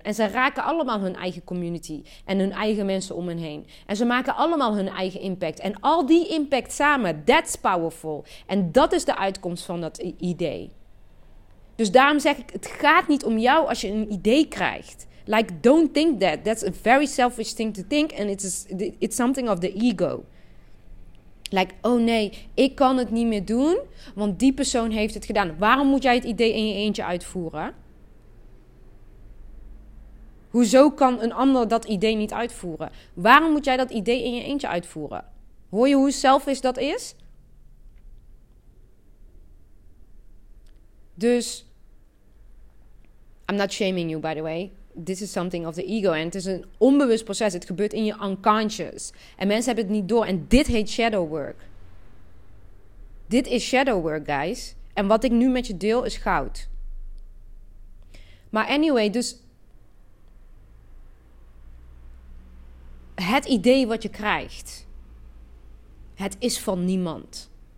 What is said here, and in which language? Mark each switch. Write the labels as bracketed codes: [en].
[nl] En ze raken allemaal hun eigen community en hun eigen mensen om hen heen. En ze maken allemaal hun eigen impact. En al die impact samen, [en] that's powerful. [nl] En dat is de uitkomst van dat idee. Dus daarom zeg ik, het gaat niet om jou als je een idee krijgt. [en] Like, don't think that. That's a very selfish thing to think. And it's something of the ego. [nl] Like, oh nee, ik kan het niet meer doen, want die persoon heeft het gedaan. Waarom moet jij het idee in je eentje uitvoeren? Hoezo kan een ander dat idee niet uitvoeren? Waarom moet jij dat idee in je eentje uitvoeren? Hoor je hoe selfish dat is? [en] Dus, I'm not shaming you by the way. This is something of the ego. [nl] En het is een onbewust proces. Het gebeurt in je unconscious. En mensen hebben het niet door. En dit heet shadow work. Dit is shadow work, guys. En wat ik nu met je deel is goud. Maar anyway, dus het idee wat je krijgt, het is van niemand.